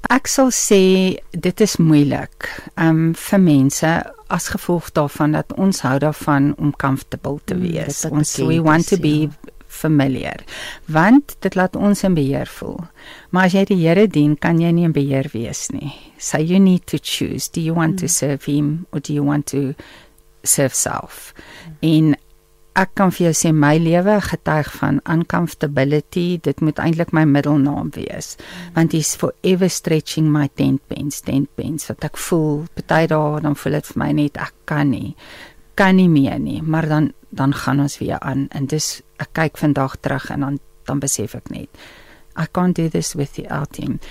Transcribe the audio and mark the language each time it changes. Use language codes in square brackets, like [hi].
[af] Ek sal sê, dit is moeilik vir mense, as gevolg daarvan, dat ons hou daarvan om comfortable te wees. [en] We want to be familiar. [af] Want dit laat ons in beheer voel. Maar as jy die Here dien, kan jy nie in beheer wees nie. [en] So you need to choose. Do you want to serve him or do you want to serve self? [af] En ek kan vir jou sê, my lewe getuig van uncomfortability, dit moet eintlik my middelnaam wees. Want [en] he's forever stretching my tent pins, [af] wat ek voel, partij daar, dan voel het vir my net, ek kan nie meer nie, maar dan gaan ons weer aan, en dis, ek kyk vandag terug, en dan besef ek net, [en] I can't do this with the L team.